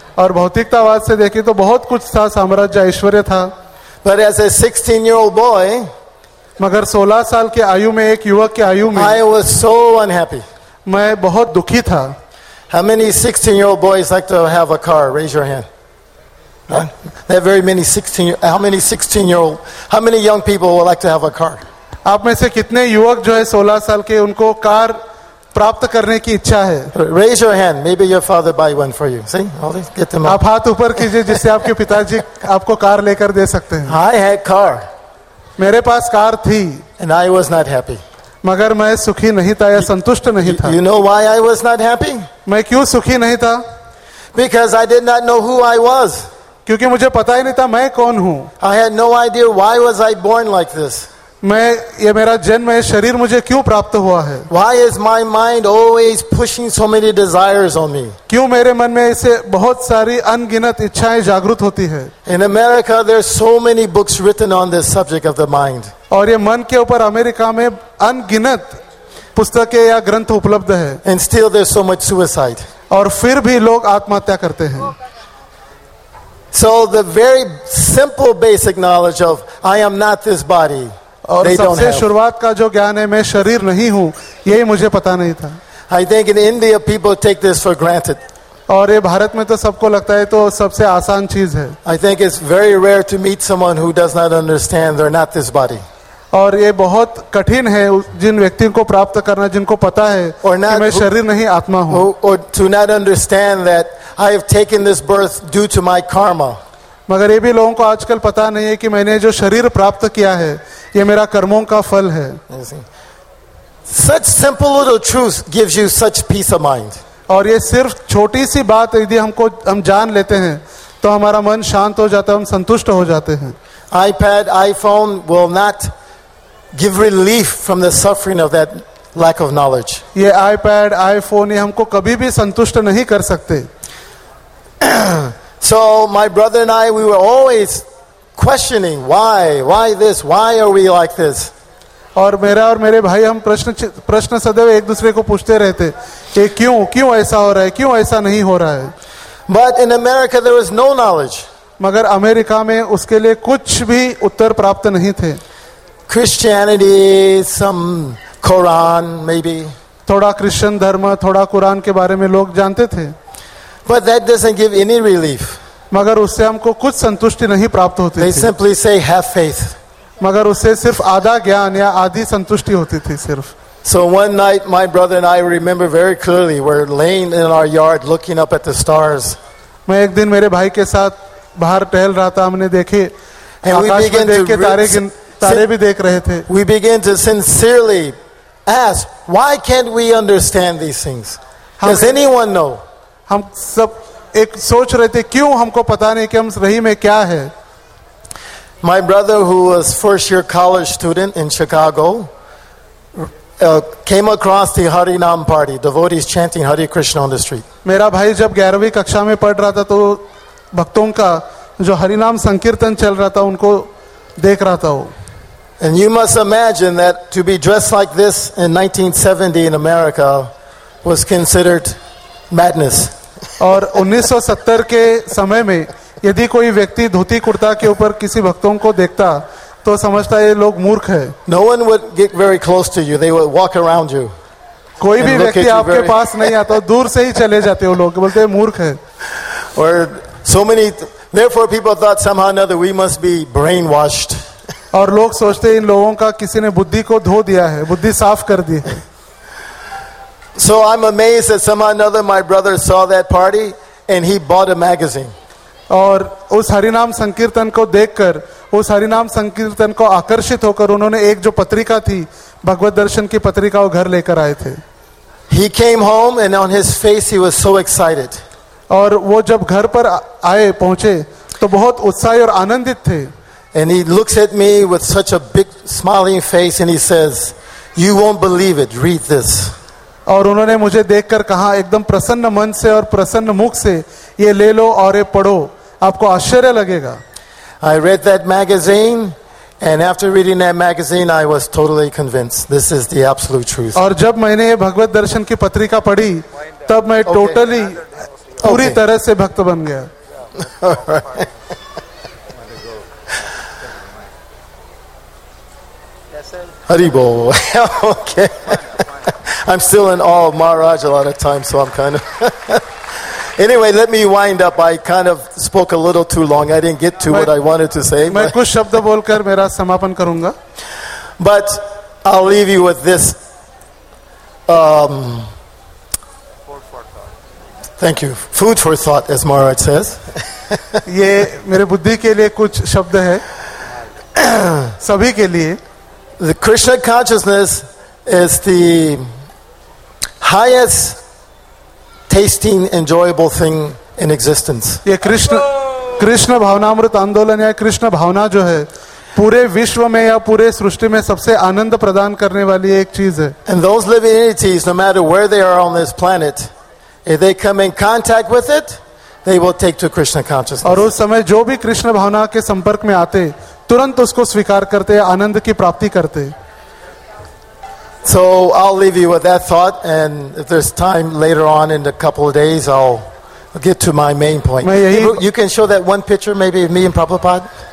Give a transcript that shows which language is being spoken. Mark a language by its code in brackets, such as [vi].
[hi] और भौतिकतावाद से देखें तो बहुत कुछ था, साम्राज्य ऐश्वर्य था. [en] But as a 16-year-old boy, [hi] मगर 16 साल के आयु में एक युवक के आयु में [en] I was so unhappy. [hi] मैं बहुत दुखी था. [en] How many 16-year-old boys like to have a car? Raise your hand. There are very many 16. How many 16-year-old? How many young people would like to have a car? [hi] आप में से कितने युवक जो है 16 साल के उनको कार प्राप्त करने की इच्छा है? [en] Raise your hand. Maybe your father buy one for you. See? All these, get them up. [hi] आप हाथ ऊपर कीजिए जिससे आपके पिताजी आपको कार लेकर दे सकते हैं. [en] I had car. [hi] मेरे पास कार थी. [en] And I was not happy. [hi] मगर मैं सुखी नहीं था या संतुष्ट नहीं था. [en] You know why I was not happy? [hi] मैं क्यों सुखी नहीं था? [en] Because I did not know who I was. [hi] क्योंकि मुझे पता ही नहीं था मैं कौन हूँ. [en] I had no idea why was I born like this. [hi] मैं ये मेरा जन्म है शरीर मुझे क्यों प्राप्त हुआ है? [en] Why is my mind always pushing so many desires on me? [hi] क्यों मेरे मन में ऐसे बहुत सारी अनगिनत इच्छाएं जागृत होती है? [en] In America there are so many books written on this subject of the mind. [hi] और ये मन के ऊपर अमेरिका में अनगिनत पुस्तकें या ग्रंथ उपलब्ध है. [en] And still there's so much suicide. [hi] और फिर भी लोग आत्महत्या करते हैं. [en] So the very simple basic knowledge of I am not this body. [hi] और सबसे शुरुआत का जो ज्ञान है मैं शरीर नहीं हूँ यही मुझे पता नहीं था. [en] I think in India people take this for granted. [hi] और ये भारत में तो सबको लगता है तो सबसे आसान चीज है. [en] I think it's very rare to meet someone who does not understand they're not this body. [hi] और ये बहुत कठिन है जिन व्यक्तियों को प्राप्त करना जिनको पता है कि मैं शरीर नहीं आत्मा हूँ. [en] Or to not understand that I have taken this birth due to my karma. [hi] मगर ये भी लोगों को आजकल पता नहीं है कि मैंने जो शरीर प्राप्त किया है ये मेरा कर्मों का फल है. [en] Such simple little truth gives you such peace of mind. [hi] और ये सिर्फ छोटी सी बात यदि हमको हम जान लेते हैं तो हमारा मन शांत हो जाता है, हम संतुष्ट हो जाते हैं. [en] iPad, iPhone will not give relief from the suffering of that lack of knowledge. [hi] ये iPad, iPhone ये हमको कभी भी संतुष्ट नहीं कर सकते. [en] So my brother and I, we were always questioning why this, why are we like this? [hi] और मेरा और मेरे भाई हम प्रश्न सदैव एक दूसरे को पूछते रहते कि क्यों ऐसा हो रहा है, क्यों ऐसा नहीं हो रहा है? [en] But in America there was no knowledge. [hi] मगर अमेरिका में उसके लिए कुछ भी उत्तर प्राप्त नहीं थे. [en] Christianity, some Quran maybe. [hi] थोड़ा क्रिश्चियन धर्म, थोड़ा कुरान के बारे में लोग जानते थे. [en] But that doesn't give any relief. [hi] मगर उससे हमको कुछ संतुष्टि नहीं प्राप्त होती थी. [en] They simply say have faith. [hi] मगर उससे सिर्फ आधा ज्ञान या आधी संतुष्टि होती थी सिर्फ. [en] So one night my brother and I remember very clearly we're laying in our yard looking up at the stars. [hi] मैं एक दिन मेरे भाई के साथ बाहर टहल रहा था, हमने देखे आकाश में देख के तारे भी देख रहे थे. [en] We began to sincerely ask why can't we understand these things? Does anyone know? [hi] हम सब एक सोच रहे थे क्यों हमको पता नहीं कि हम रही में क्या है. [en] My brother who was first year college student in Chicago came across the Hari Nam party, devotees chanting Hare Krishna on the street. [hi] मेरा भाई जब 11वीं कक्षा में पढ़ रहा था तो भक्तों का जो हरिनाम संकीर्तन चल रहा था उनको देख रहा था वो. [en] And you must imagine that to be dressed like this in 1970 in America was considered madness. [hi] और 1970 के समय में यदि कोई व्यक्ति धोती कुर्ता के ऊपर किसी भक्तों को देखता तो समझता ये लोग मूर्ख है. [en] No one would get very close to you. They would walk around you. [hi] कोई भी व्यक्ति आपके पास नहीं आता, दूर से ही चले जाते हो लोग, बोलते हैं मूर्ख है. [en] Or so many, therefore people thought somehow or another we must be brainwashed. [hi] और लोग सोचते इन लोगों का किसी ने बुद्धि को धो दिया है, बुद्धि साफ कर दी है. [en] So I'm amazed that somehow or another my brother saw that party and he bought a magazine. [hi] और उस हरिनाम संकीर्तन को देखकर, उस हरिनाम संकीर्तन को आकर्षित होकर उन्होंने एक जो पत्रिका थी भगवत दर्शन की पत्रिका वो घर लेकर आए थे. [en] He came home and on his face he was so excited. [hi] और वो जब घर पर आए पहुंचे तो बहुत उत्साही और आनंदित थे. [en] And he looks at me with such a big smiling face and he says, "You won't believe it. Read this." [hi] और उन्होंने मुझे देखकर कहा एकदम प्रसन्न मन से और प्रसन्न मुख से, ये ले लो और ये पढ़ो, आपको आश्चर्य लगेगा. [en] I read that magazine and after reading that magazine I was totally convinced this is the absolute truth. [hi] और जब मैंने ये भगवत दर्शन की पत्रिका पढ़ी तब मैं टोटली पूरी तरह से भक्त बन गया. [en] Yes, Haribo. Okay. I'm still in awe of Maharaj a lot of times, so I'm kind of... Anyway, let me wind up. I kind of spoke a little too long. I didn't get to what I wanted to say. But I'll leave you with this. Thank you. Food for thought, as Maharaj says. [hi] ये मेरे बुद्धि के लिए कुछ शब्द है सभी के लिए. [en] The Krishna consciousness is the highest tasting enjoyable thing in existence. [hi] ये कृष्ण भावनामृत आंदोलन या कृष्ण भावना जो है पूरे विश्व में या पूरे सृष्टि में सबसे आनंद प्रदान करने वाली एक चीज है. [en] And those living entities, no matter where they are on this planet, if they come in contact with it, they will take to Krishna consciousness. [hi] और उस समय जो भी कृष्ण भावना के संपर्क में आते तुरंत उसको स्वीकार करते आनंद की प्राप्ति करते. [en] So I'll leave you with that thought, and if there's time later on in a couple of days, I'll get to my main point. You can show that one picture maybe of me and Prabhupada.